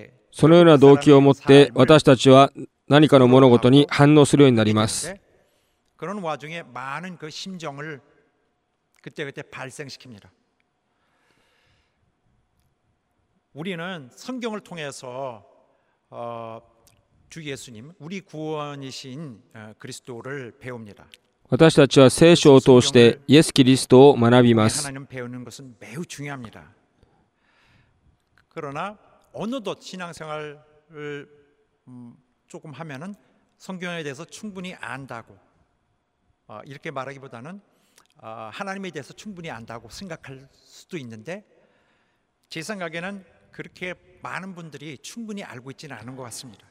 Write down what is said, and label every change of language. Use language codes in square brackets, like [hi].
[ja] そのような動機を持って私たちは何かの物事に反応するようになります。 [ko] 그런와중에많은그심정을그때그때발생시킵니다 우리는 성경을 통해서 주 예수님, 우리 구원이신 그리스도를 배웁니다. [ja] 私たちは聖書を通してイエス・キリストを学びます。 [ko] 하나님배우는것은매우중요합니다。 그러나어느덧신앙생활을조금하면은성경에대해서충분히안다고이렇게말하기보다는하나님에대해서충분히안다고생각할수도있는데제생각에는그렇게많은분들이충분히알고있지는않은것같습니다